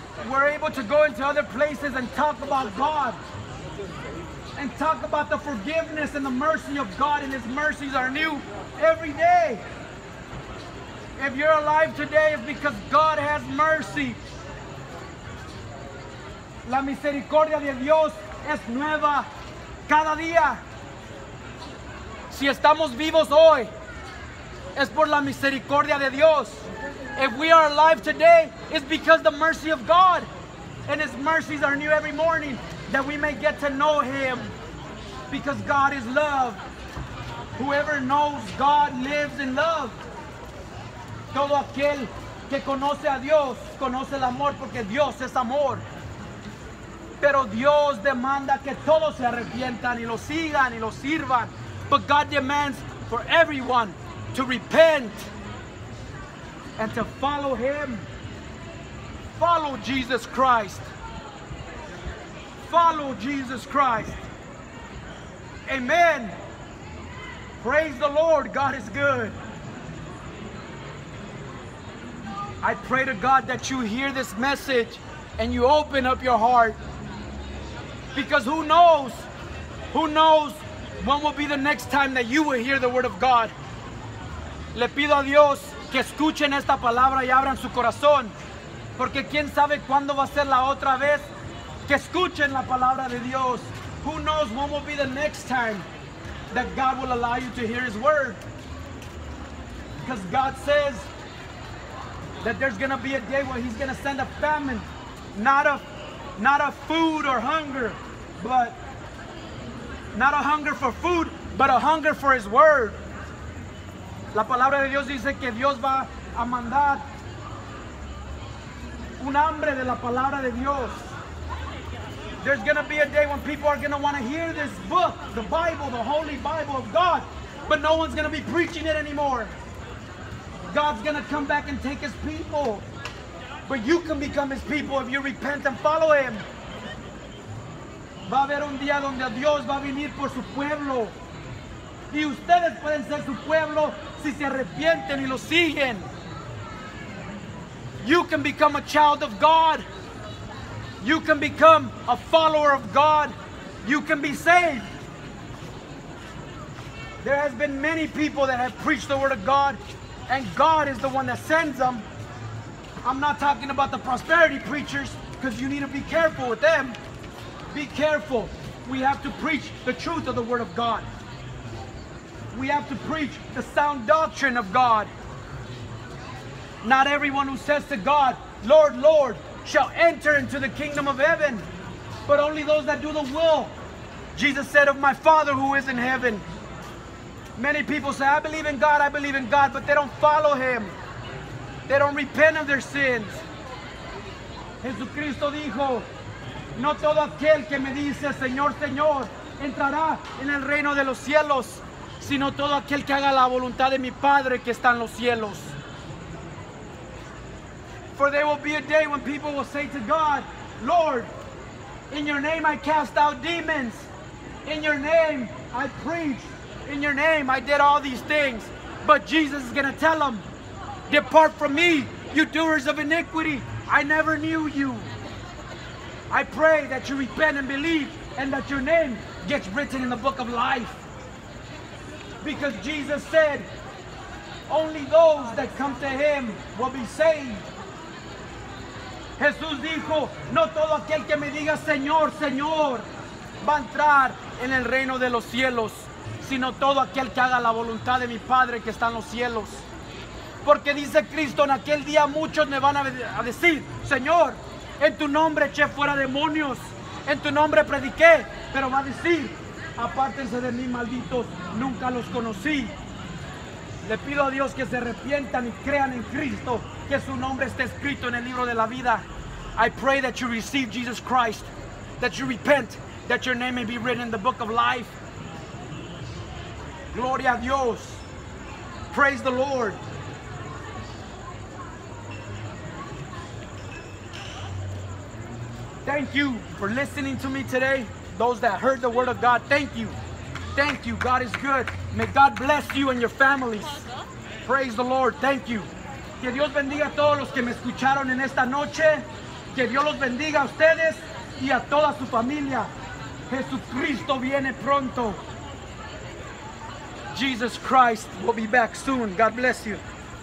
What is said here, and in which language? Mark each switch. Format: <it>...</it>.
<en>We're able to go into other places and talk about God, and talk about the forgiveness and the mercy of God, and His mercies are new every day. If you're alive today, it's because God has mercy.</en> <es>La misericordia de Dios es nueva cada día. Si estamos vivos hoy, es por la misericordia de Dios.</es> <en>If we are alive today, it's because the mercy of God, and His mercies are new every morning, that we may get to know Him. Because God is love. Whoever knows God lives in love.</en> <es>Todo aquel que conoce a Dios conoce el amor, porque Dios es amor. Pero Dios demanda que todos se arrepientan y lo sigan y lo sirvan.</es> <en>But God demands for everyone to repent and to follow Him. Follow Jesus Christ. Follow Jesus Christ. Amen. Praise the Lord. God is good. I pray to God that you hear this message and you open up your heart. Because who knows? Who knows when will be the next time that you will hear the word of God?</en> <es>Le pido a Dios que escuchen esta palabra y abran su corazón. Porque quién sabe cuándo va a ser la otra vez que escuchen la palabra de Dios.</es> <en>Who knows when will be the next time that God will allow you to hear His word? Because God says that there's going to be a day where He's going to send a famine, not a food or hunger, but not a hunger for food, but a hunger for His word.</en> <es>La palabra de Dios dice que Dios va a mandar un hambre de la palabra de Dios.</es> <en>There's going to be a day when people are going to want to hear this book, the Bible, the Holy Bible of God, but no one's going to be preaching it anymore. God's going to come back and take His people. But you can become His people if you repent and follow Him.</en> <es>Va a haber un día donde Dios va a venir por su pueblo. Y ustedes pueden ser su pueblo si se arrepienten y lo siguen.</es> <en>You can become a child of God. You can become a follower of God. You can be saved. There has been many people that have preached the word of God, and God is the one that sends them. I'm not talking about the prosperity preachers, because you need to be careful with them. Be careful. We have to preach the truth of the word of God. We have to preach the sound doctrine of God. Not everyone who says to God, Lord, Lord, shall enter into the kingdom of heaven, but only those that do the will. Jesus said of my Father who is in heaven. Many people say, I believe in God, I believe in God, but they don't follow him. They don't repent of their sins.</en> <es>Jesucristo dijo, no todo aquel que me dice Señor, Señor, entrará en el reino de los cielos, sino todo aquel que haga la voluntad de mi Padre que está en los cielos.</es> <en>For there will be a day when people will say to God, Lord, in your name I cast out demons. In your name I preached. In your name I did all these things. But Jesus is going to tell them, depart from me, you doers of iniquity. I never knew you. I pray that you repent and believe, and that your name gets written in the book of life. Because Jesus said, only those that come to him will be saved.</en> <es>Jesús dijo, no todo aquel que me diga Señor, Señor, va a entrar en el reino de los cielos, sino todo aquel que haga la voluntad de mi Padre que está en los cielos. Porque dice Cristo, en aquel día muchos me van a decir, Señor, en tu nombre eché fuera demonios, en tu nombre prediqué, pero va a decir, apártense de mí, malditos, nunca los conocí. Le pido a Dios que se arrepientan y crean en Cristo, que su nombre esté escrito en el libro de la vida.</es> <en>I pray that you receive Jesus Christ, that you repent, that your name may be written in the book of life.</en> <es>Gloria a Dios.</es> <en>Praise the Lord. Thank you for listening to me today. Those that heard the word of God, thank you. Thank you. God is good. May God bless you and your families. Praise the Lord. Thank you.</en> <es>Que Dios bendiga a todos los que me escucharon en esta noche. Que Dios los bendiga a ustedes y a toda su familia. Jesucristo viene pronto.</es> <en>Jesus Christ will be back soon. God bless you.</en>